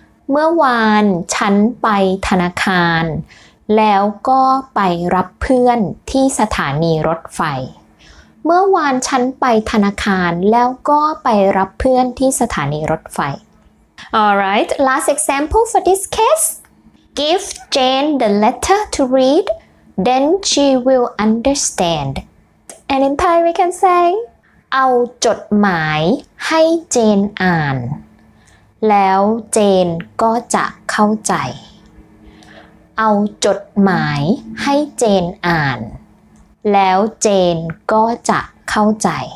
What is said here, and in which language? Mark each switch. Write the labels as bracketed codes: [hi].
[th] เมื่อวานฉันไปธนาคารแล้วก็ไปรับเพื่อนที่สถานีรถไฟเมื่อวานฉันไปธนาคารแล้วก็ไปรับเพื่อนที่สถานีรถไฟ [en] Alright, last example for this case. Give Jane the letter to read, then she will understand. And in Thai we can say [th] เอาจดหมายให้เจนอ่านแล้วเจนก็จะเข้าใจ [en] เอาจดหมายให้เจนอ่านแล้วเจนก็จะเข้าใจ